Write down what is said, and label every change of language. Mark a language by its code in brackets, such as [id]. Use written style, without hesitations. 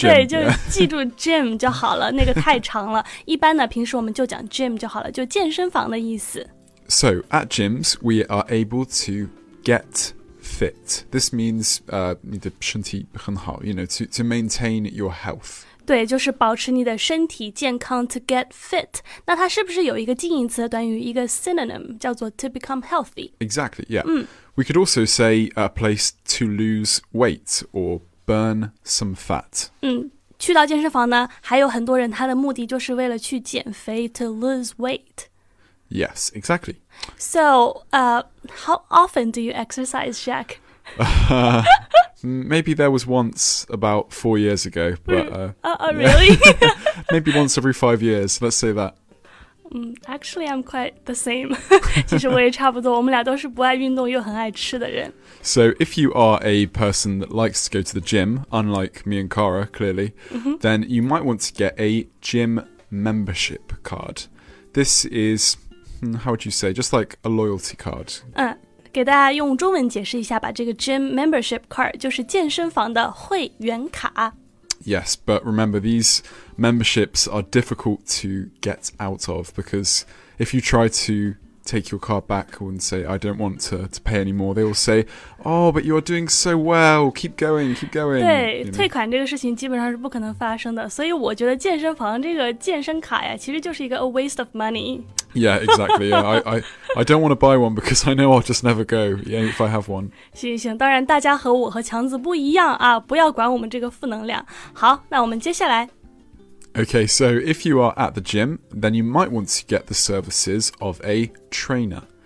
[zh] 对对对，就记住 gym 就好了，那个太长了。一般呢，平时我们就讲 gym 就好了，就健身房的意思。 [en] So, at gyms, we are able to get fit. This means, [zh] 你的身体很好, [en] you know, to maintain your health. [zh] 对，就是保持你的身体健康, [en] to get fit. [zh] 那它是不是有一个近义词的短语, 一个 synonym, 叫做 [en] to become healthy? Exactly, yeah. We could also say a place to lose weight or burn some fat. [zh] 去到健身房呢，还有很多人他的目的就是为了去减肥 [en] to lose weight. Yes, exactly. So, how often do you exercise, Jack? Maybe there was once about 4 years ago, but... really? Maybe once every 5 years, let's say that. Actually, I'm quite the same. [zh] 其实我也差不多，我们俩都是不爱运动又很爱吃的人。 [en] So if you are a person that likes to go to the gym, unlike me and Cara, clearly, then you might want to get a gym membership card. This is, how would you say, just like a loyalty card. [zh] 给大家用中文解释一下吧，这个 gym membership card 就是健身房的会员卡。 [en] Yes, but remember, these memberships are difficult to get out of because if you try to take your card back and say, I don't want to pay anymore, they will say, oh, but you're doing so well, keep going, keep going. [zh] 对，退款这个事情基本上是不可能发生的，所以我觉得健身房这个健身卡呀，其实就是一个 [en] a waste of money. Yeah, exactly. Yeah, I don't want to buy one because I know I'll just never go, yeah, if I have one. [zh] 行行，当然大家和我和强子不一样啊，不要管我们这个负能量。好，那我们接下来。 [en] Okay, so if you are at the gym, then you might want to get the services of a trainer.